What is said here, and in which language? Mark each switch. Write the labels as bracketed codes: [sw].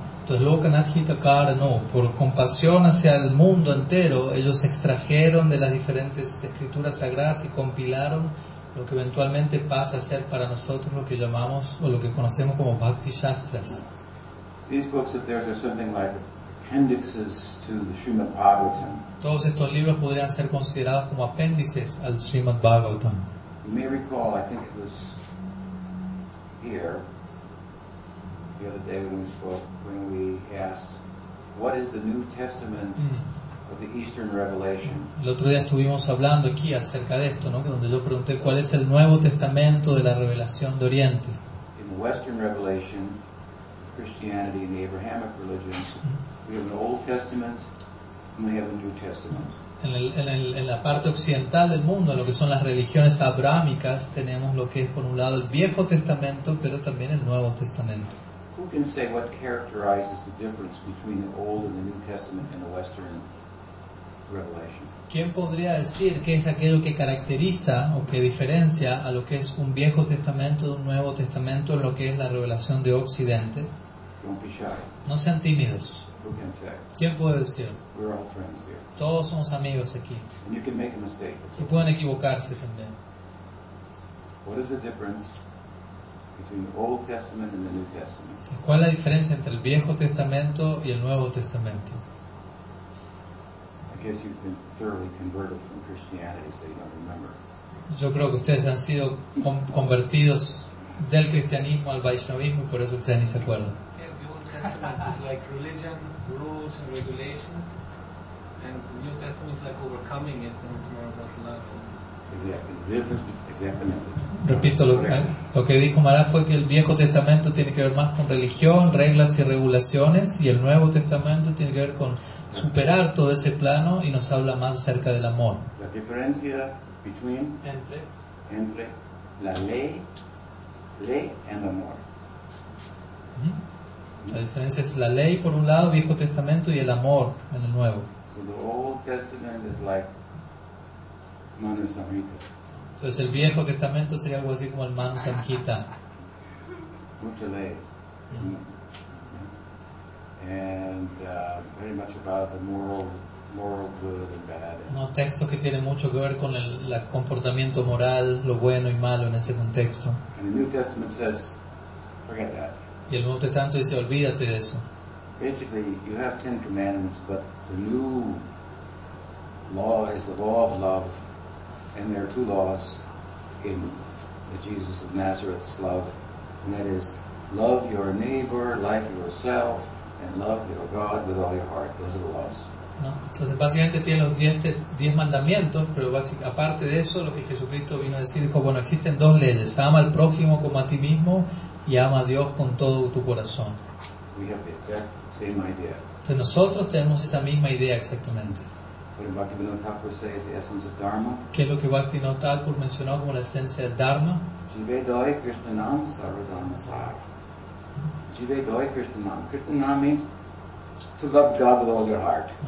[es] Entonces, Lokanath Hita Karano, por compasión hacia el mundo entero, ellos extrajeron de las diferentes escrituras sagradas y compilaron lo que eventualmente pasa a ser para nosotros lo que llamamos o lo que conocemos como Bhakti Shastras. [en] These books of theirs are something like appendices to the Srimad Bhagavatam. [es] Todos estos libros podrían ser considerados como apéndices al Srimad Bhagavatam. [en] You may recall, I think it was here, the other day when we spoke, when we asked, what is the New Testament of the Eastern Revelation? [es] El otro día estuvimos hablando aquí acerca de esto, ¿no? Donde yo pregunté, ¿cuál es el Nuevo Testamento de la Revelación de Oriente? [en] In the Western Revelation, Christianity and the Abrahamic religions, we have an Old Testament and we have a New Testament. [es] En la parte occidental del mundo, en lo que son las religiones abrahámicas, tenemos lo que es por un lado el Viejo Testamento, pero también el Nuevo Testamento. [en] Who can say what characterizes the difference between the Old and the New Testament in the Western revelation. [es] ¿Quién podría decir qué es aquello que caracteriza o que diferencia a lo que es un Viejo Testamento de un Nuevo Testamento en lo que es la revelación de Occidente? [en] Don't be shy. [es] No sean tímidos. [en] Who can say? [es] ¿Quién puede decir? [en] We're all friends here. [es] Todos somos amigos aquí. [en] And you can make a mistake. [es] Y pueden equivocarse también. [en] What is the difference between the Old Testament and the New Testament? [es] ¿Cuál es la diferencia entre el Viejo Testamento y el Nuevo Testamento? [en] I guess you've been thoroughly converted from Christianity, so you don't remember. [es] Yo creo que ustedes han sido convertidos del cristianismo al vaishnavismo, por eso ustedes ni se acuerdan. [en] The Old Testament is like religion, rules and regulations, and the New Testament is like overcoming it, and it's more about love. Exactly. [es] Repito, lo que dijo Mará fue que el Viejo Testamento tiene que ver más con religión, reglas y regulaciones, y el Nuevo Testamento tiene que ver con superar todo ese plano y nos habla más acerca del amor. La diferencia [en] between [es] entre la ley [en] and [es] amor. Mm-hmm. La diferencia es la ley por un lado, Viejo Testamento, y el amor en el Nuevo. [en] So the Old Testament is like Manu Samhita. [es] Entonces el Viejo Testamento sería algo así como el Manu Samhita. Mucha ley. Mm-hmm. [en] And very much about the moral good and bad. [es] No, textos que tienen mucho que ver con el comportamiento moral, lo bueno y malo en ese contexto. [en] And the New Testament says, forget that. [es] Y el Nuevo Testamento dice, olvídate de eso. [en] Basically, you have 10 commandments, but the new law is the law of love, and there are two laws in the Jesus of Nazareth's love, and that is, love your neighbor like yourself. And love your God with all your heart. Those are the laws. [es] No, entonces básicamente tiene los 10 mandamientos, pero básicamente aparte de eso, lo que Jesucristo vino a decir, dijo, bueno, existen dos leyes: ama al prójimo como a ti mismo y ama a Dios con todo tu corazón. [en] We have the exact same idea. [es] Entonces nosotros tenemos esa misma idea exactamente. [en] What Bhaktivinoda Thakur says, the essence of Dharma. [es] ¿Qué es lo que Bhaktivinoda Thakur mencionó como la esencia del Dharma? [bn] Jive doi Krishna nam sarva dharma sar. Jive doi Krishna nam. [en] Krishna nam means to love God with all your heart.